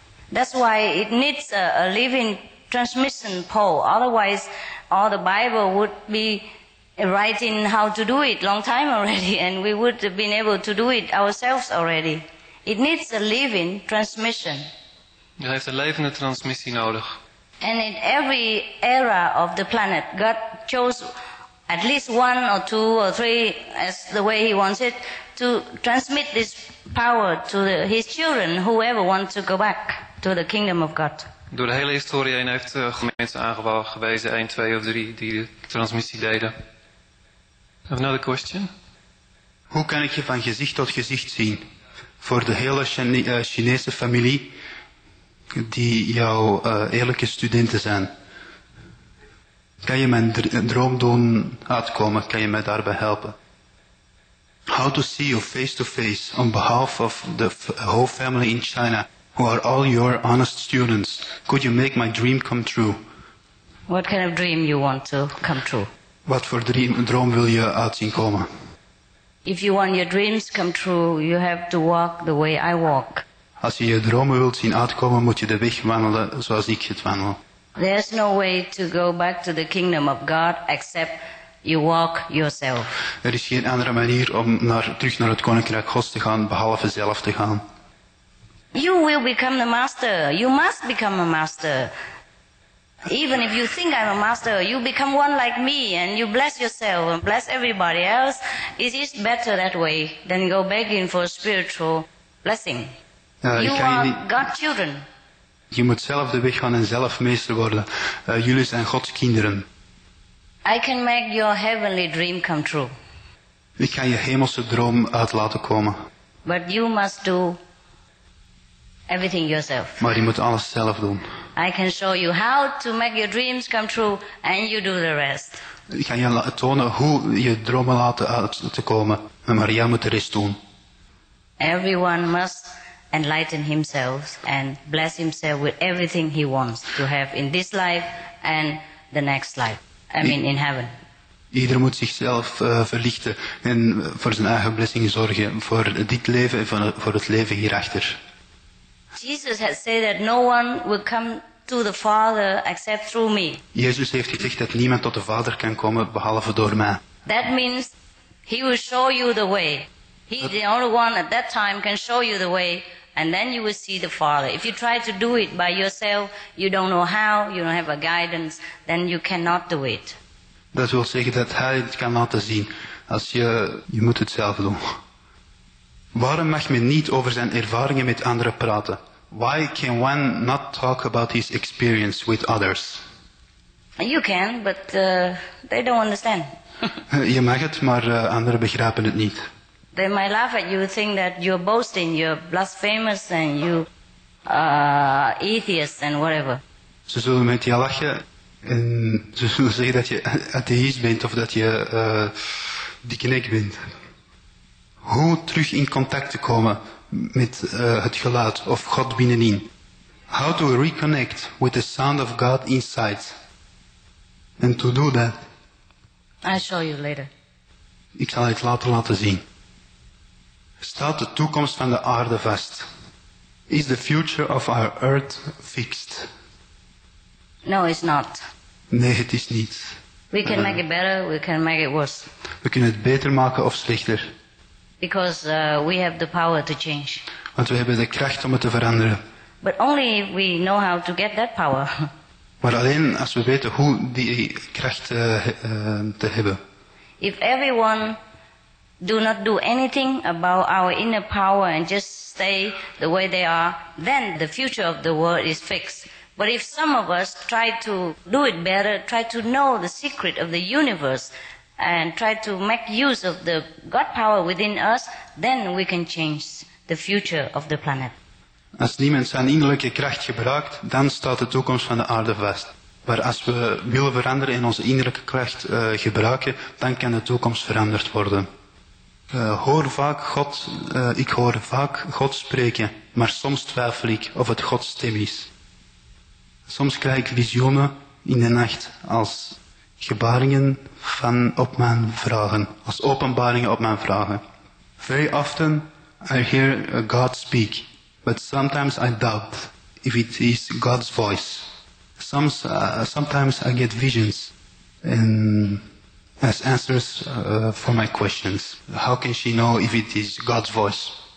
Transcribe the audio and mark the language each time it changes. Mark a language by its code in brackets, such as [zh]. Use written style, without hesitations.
[en] That's why it needs a living transmission pole. Otherwise, all the Bible would be writing how to do it long time already, and we would have been able to do it ourselves already. It needs a living transmission. [nl] Je heeft een levende transmissie nodig. [en] And in every era of the planet, God chose at least one or two or three as the way he wants it to transmit this power to his children, whoever wants to go back to the kingdom of God. [nl] Door de hele historie heen heeft mensen aangewezen, 1, 2 of 3, die de transmissie deden. [en] Another question. [nl] Hoe kan ik je van gezicht tot gezicht zien? Voor de hele Chinese familie die jouw eerlijke studenten zijn. Kan je mijn droom doen uitkomen? Kan je mij daarbij helpen? [en] How to see you face to face on behalf of the whole family in China who are all your honest students? Could you make my dream come true? What kind of dream you want to come true? [nl] Wat voor droom wil je uitzien komen? [en] If you want your dreams come true, you have to walk the way I walk. [nl] Als je je dromen wilt zien uitkomen, moet je de weg wandelen zoals ik het wandel. [en] There's no way to go back to the kingdom of God except you walk yourself. [nl] Er is geen andere manier om terug naar het koninkrijk Gods te gaan behalve zelf te gaan. [en] You will become the master. You must become a master. Even if you think I'm a master, you become one like me and you bless yourself and bless everybody else. It is better that way than go begging for a spiritual blessing. You are God's children. [nl] Je moet zelf de weg gaan en zelf meester worden. Jullie zijn Gods kinderen. [en] I can make your heavenly dream come true. [nl] Ik kan je hemelse droom uit laten komen. [en] But you must do everything yourself. [nl] Maar je moet alles zelf doen. [en] I can show you how to make your dreams come true and you do the rest. [nl] Ik ga je tonen hoe je dromen laten uit te komen, maar jij moet de rest doen. [en] Everyone must enlighten himself and bless himself with everything he wants to have in this life and the next life. In heaven. [nl] Ieder moet zichzelf verlichten en voor zijn eigen blessing zorgen voor dit leven en voor het leven hierachter. [en] Jesus had said that no one will come to the Father except through me. [nl] Jezus heeft gezegd dat niemand tot de Vader kan komen behalve door mij. [en] That means he will show you the way. He's the only one at that time can show you the way, and then you will see the Father. If you try to do it by yourself, you don't know how, you don't have a guidance, then you cannot do it. [nl] Dat wil zeggen dat hij het kan laten zien. Als je moet het zelf doen. Waarom mag men niet over zijn ervaringen met anderen praten? [en] Why can one not talk about his experience with others? You can, but they don't understand. [nl] Je mag het, maar anderen begrijpen het niet. [en] They might laugh at you, think that you're boasting, you're blasphemous and you atheist and whatever. [nl] Ze zullen met je lachen en ze zullen zeggen dat je atheïst bent of dat je dikke nek bent. Hoe terug in contact te komen met het geluid of God binnenin? [en] How to reconnect with the sound of God inside? And to do that, I'll show you later. [nl] Ik zal het later laten zien. Staat de toekomst van de aarde vast? [en] Is the future of our earth fixed? No, it's not. [nl] Nee, het is niet. [en] We can make it better, we can make it worse. [nl] We kunnen het beter maken of slechter. [en] Because we have the power to change. [nl] Want we hebben de kracht om het te veranderen. [en] But only if we know how to get that power. [nl] Maar alleen als we weten hoe die kracht te hebben. [en] If everyone do not do anything about our inner power and just stay the way they are, then the future of the world is fixed. But if some of us try to do it better, try to know the secret of the universe and try to make use of the God power within us, then we can change the future of the planet. [nl] Als niemand zijn innerlijke kracht gebruikt, dan staat de toekomst van de aarde vast. Maar als we willen veranderen en onze innerlijke kracht gebruiken, dan kan de toekomst veranderd worden. Hoor vaak God, ik hoor vaak God spreken, maar soms twijfel ik of het Gods stem is. Soms krijg ik visioenen in de nacht als gebaringen van op mijn vragen, als openbaringen op mijn vragen. [en] Very often I hear God speak. But sometimes I doubt if it is God's voice. Sometimes I get visions and as answers for my questions. How can she know if it is God's voice?